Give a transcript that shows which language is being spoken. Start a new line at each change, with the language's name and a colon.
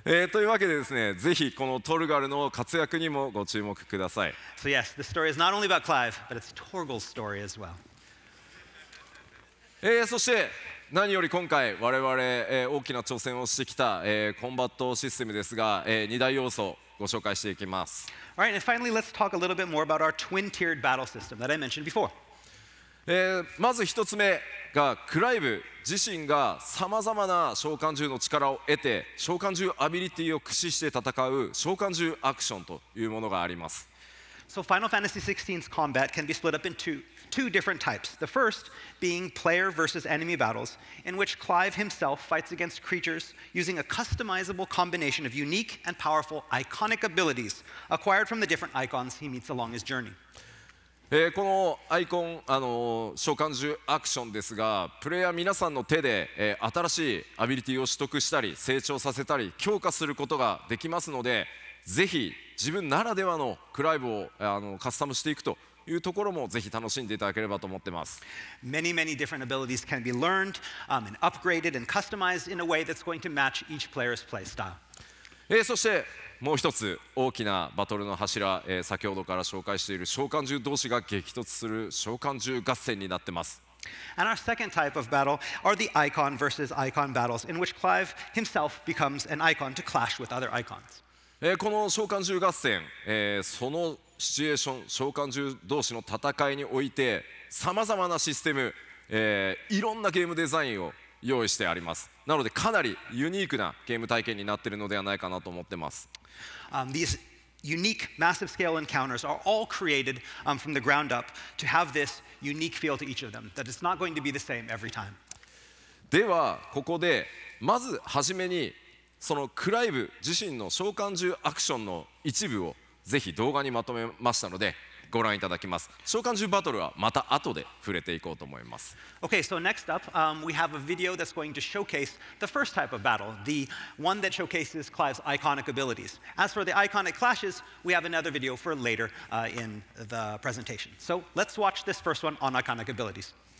Japanese: というわけでですね、ぜひこのトルガルの活躍にもご注目ください。
English: So yes, this story is not only about Clive, but it's Torgal's story as well.
Japanese: そして、何より今回我々、大きな挑戦をしてきた、コンバットシステムですが、2大要素ご紹介していきます。
English: All right, and finally, let's talk a little bit more about our twin-tiered battle system that I mentioned before.
Japanese: まず一つ目が、クライブ自身が様々な召喚獣の力を得て、召喚獣アビリティを駆使して戦う召喚獣アクションというものがあります。
English: So Final Fantasy XVI's combat can be split up in two different types. The first being player versus enemy battles, in which Clive himself fights against creatures using a customizable combination of unique and powerful iconic abilities acquired from the different icons he meets along his journey.
Japanese: このアイコン、召喚獣アクションですが、プレイヤー皆さんの手で、新しいアビリティを取得したり、成長させたり、強化することができますので、ぜひ自分ならではのクライブをカスタムしていくというところもぜひ楽しんでいただければと思ってます。
English: Many, many different abilities can be learned, and upgraded and customized in a way that's going to match each player's play style.
Japanese: そしてもう一つ大きなバトルの柱、先ほどから紹介している召喚獣同士が激突する召喚獣合戦になってます。
English: And our second type of battle are the icon versus icon battles, in which Clive himself becomes an icon to clash with other icons.
Japanese: この召喚獣合戦、そのシチュエーション、召喚獣同士の戦いにおいて、さまざまなシステム、いろんなゲームデザインを用意してあります。なので、かなりユニークなゲーム体験になっているのではないかなと思ってます。
English: These unique, massive scale encounters are all created from the ground up to have this unique feel to each of them, that it's not going to be the same every time.
Japanese: では、ここで、まず初めに、そのクライブ自身の召喚獣アクションの一部をぜひ動画にまとめましたのでご覧いただきます。召喚獣バトルはまた後で触れていこうと思います。
English: Okay, so next up, we have a video that's going to showcase the first type of battle, the one that showcases Clive's iconic abilities. As for the iconic clashes, we have another video for later, in the presentation. So let's watch this first one on iconic abilities.